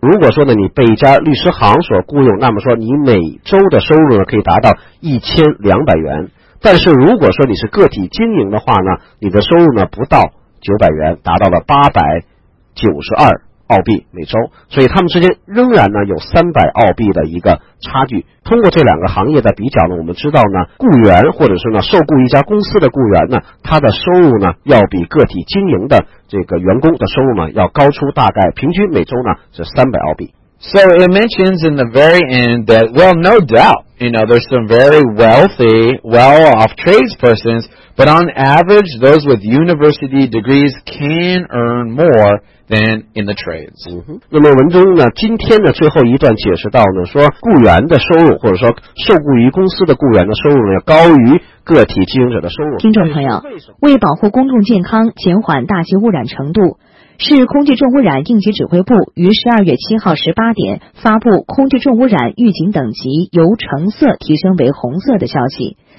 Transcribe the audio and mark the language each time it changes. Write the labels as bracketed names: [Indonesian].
[Chinese] 如果说呢你被一家律师行所雇佣，那么说你每周的收入呢可以达到1200元，但是如果说你是个体经营的话呢，你的收入呢不到900元，达到了892澳币每周，所以他们之间仍然呢有300澳币的一个差距。通过这两个行业的比较呢，我们知道呢雇员或者是呢受雇一家公司的雇员呢，他的收入呢要比个体经营的这个员工的收入呢要高出大概平均每周呢是300澳币。 [English] So it mentions in the very end that, well, no doubt, you know, there's some very wealthy, well-off tradespersons, but on average, those with university degrees can earn moreThan in the trades.、 Mm-hmm. [Chinese] 那么文中呢，今天的最后一段解释到呢，说雇员的收入或者说受雇于公司的雇员的收入呢，高于个体经营者的收入。听众朋友，为保护公众健康，减缓大气污染程度，市空气重污染应急指挥部于12月7号18点发布空气重污染预警等级由橙色提升为红色的消息。